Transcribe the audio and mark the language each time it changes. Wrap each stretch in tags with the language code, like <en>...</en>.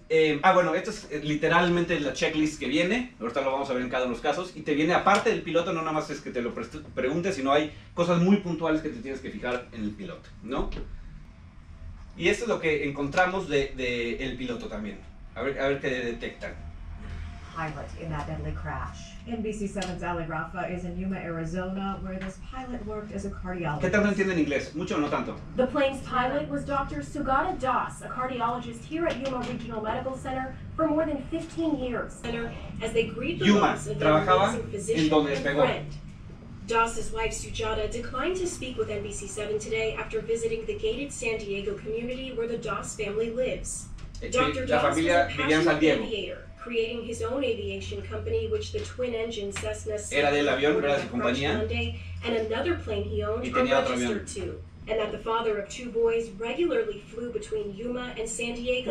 <es>Bueno, esto es literalmente la checklist que viene. Ahorita lo vamos a ver en cada uno de los casos. Y te viene, aparte del piloto, no nada más es que te lo preguntes, sino hay cosas muy puntuales que te tienes que fijar en el piloto, ¿no? Y esto es lo que encontramos de el piloto también. A ver qué detectan.</es> <en>Pilot in that deadly crash. NBC7's Ali Rafa is in Yuma, Arizona, where this pilot worked as a cardiologist.</en> <es>¿Qué tanto entiende en inglés? Mucho o no tanto.</es> <en>The plane's pilot was Dr. Sugata Das, a cardiologist here at Yuma Regional Medical Center for more than 15 years. As they greet the loss of their amazing physician and friend. Das's wife, Sujata, declined to speak with NBC7 today after visiting the gated San Diego community where the Das family lives. Dr. Das is a passionate aviator. Creating his own aviation company, which the twin engine Cessna</en> <es>era del avión, era de su compañía, Monday,</es> <en>and another plane he owned,</en> <es>y tenía otro avión.</es> <en>Too, and that the father of two boys regularly flew between Yuma and San Diego,</en>